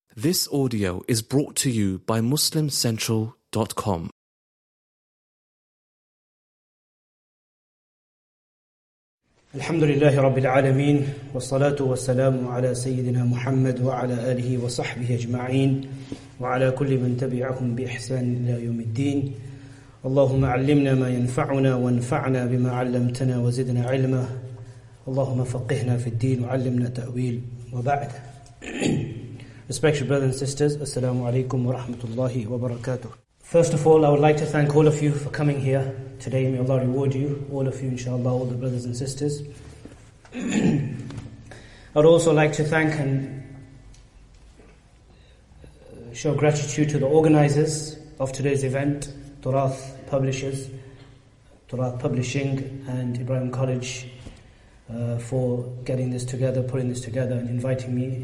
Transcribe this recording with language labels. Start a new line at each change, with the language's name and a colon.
English: This audio is brought to you by MuslimCentral.com.
Arabic: الحمد لله رب العالمين والصلاة والسلام على سيدنا محمد وعلى آله وصحبه أجمعين وعلى كل من تبعهم بإحسان إلى يوم الدين. اللهم علمنا ما ينفعنا وانفعنا بما علمتنا وزدنا علما. اللهم فقهنا في الدين وعلمنا تأويل وبعد.
English: Respected brothers and sisters, assalamu alaikum wa rahmatullahi wa barakatuh. First of all, I would like to thank all of you for coming here today. May Allah reward you, all of you, inshallah, all the brothers and sisters. I'd also like to thank and show gratitude to the organizers of today's event, Turath Publishers, Turath Publishing, and Ibrahim College, for getting this together, putting this together, and inviting me.